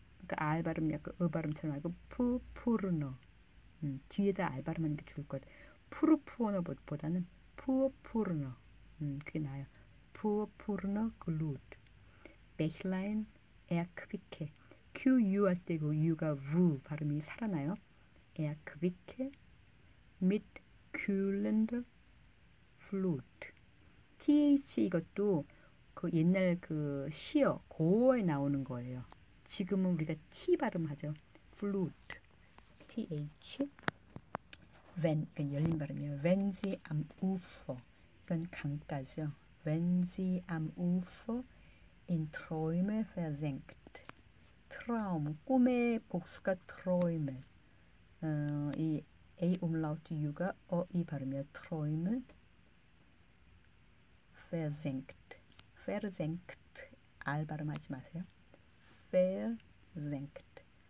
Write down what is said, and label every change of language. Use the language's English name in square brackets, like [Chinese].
[Korean] 그러니까 알 발음 약간 으 발음처럼 하고 푸푸르너. 뒤에다 알 발음하는 게 좋을 것 같아요. 푸르푸르너보다는 푸푸르너. 그게 나아요. 푸푸르너 글루트. 베힐라인 에아 크비케. QU 할 때고 U가 V 발음이 살아나요. 에아 크비케 [German] mit kühlender Flut. [Korean] TH 이것도 그 옛날 그 시어 고어에 나오는 거예요. 지금은 우리가 T 발음하죠. [German] Flut. TH. [Korean] Wenn 이건 열린 발음이에요. [German] Wenn sie am Ufer [Korean] 이건 강가죠. [German] Wenn sie am Ufer in Träume versenkt. [Korean] 트라움, 꿈의 복수가 트라우마. 이 에이 움라우트 유가 어이 발음이야. 트로임은 페르젠크트. 페르젠크트 알 발음하지 마세요. 페르젠크트.